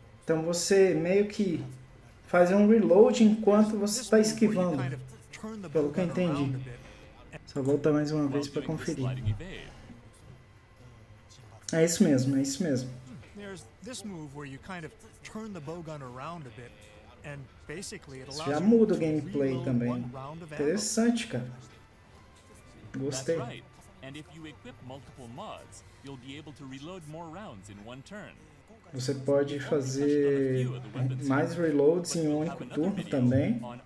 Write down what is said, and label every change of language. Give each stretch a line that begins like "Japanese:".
Portuguese: Então você meio que faz um reload enquanto você está esquivando. Pelo que eu entendi. Só volta mais uma vez para conferir. É isso mesmo, é isso mesmo.
English: There's this move where you kind of turn the bowgun around a bit, and basically it allows you to reload one round of ammo.
Portuguese: Interessante, cara. Gostei.
English: That's right. And if you equip multiple mods, you'll be able to reload more rounds in one turn.
Portuguese: Você pode fazer mais reloads em um único turno também.